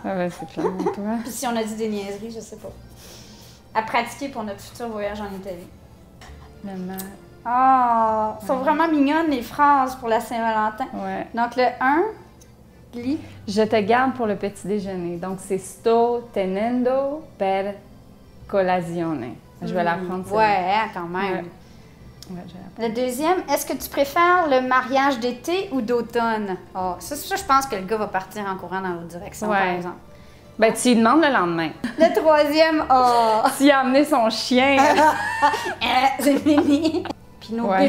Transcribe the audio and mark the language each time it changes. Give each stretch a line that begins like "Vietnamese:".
French: Ah, ben, c'est clair, toi. Puis si on a dit des niaiseries, je sais pas. À pratiquer pour notre futur voyage en Italie. Maman. Oh, ouais. Sont vraiment mignonnes les phrases pour la Saint-Valentin. Ouais. Donc le 1, lis. Je te garde pour le petit déjeuner. Donc c'est
Italian: sto tenendo per colazione.
French: Je vais l'apprendre. Ouais, quand même. Ouais. Ouais, je vais l'apprendre. Le deuxième, est-ce que tu préfères le mariage d'été ou d'automne? Oh, ça, je pense que le gars va partir en courant dans l'autre direction, ouais. Par exemple. Ben, tu lui demandes le lendemain. Le troisième, oh! S'il a amené son chien. C'est fini. Puis nos ouais.